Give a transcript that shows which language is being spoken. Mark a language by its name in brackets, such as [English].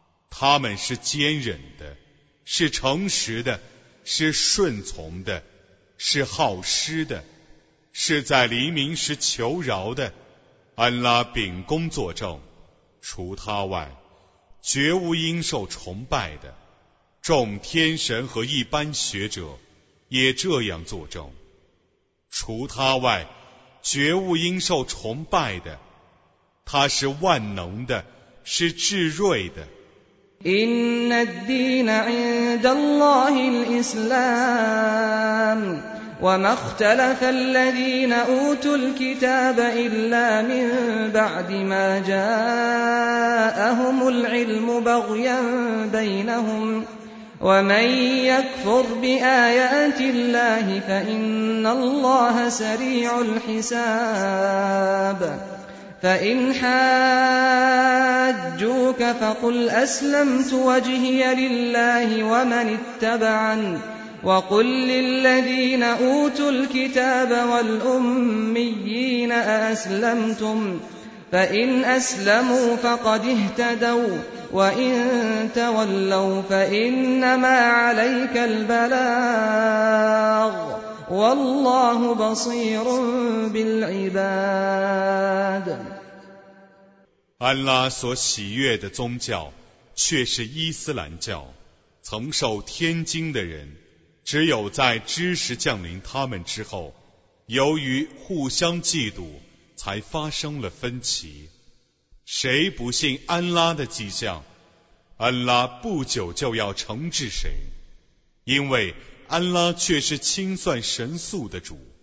[Chinese] 他们是坚忍的是诚实的是顺从的是好施的是在黎明时求饶的安拉秉公作证除他外绝无应受崇拜的众天神和一般学者也这样作证除他外绝无应受崇拜的他是万能的是至睿的 [Arabic] إن الدين عند الله الإسلام وما اختلف الذين أوتوا الكتاب إلا من بعد ما جاءهم العلم بغيا بينهم ومن يكفر بآيات الله فإن الله سريع الحسابفإن حاجوك فقل أسلمت وجهي لله ومن اتبعن وقل للذين أوتوا الكتاب والأميين أأسلمتم فإن أسلموا فقد اهتدوا وإن تولوا فإنما عليك البلاغ والله بصير بالعباد [Chinese] 安拉所喜悦的宗教却是伊斯兰教曾受天经的人只有在知识降临他们之后由于互相嫉妒才发生了分歧谁不信安拉的迹象安拉不久就要惩治谁因为安拉却是清算神速的主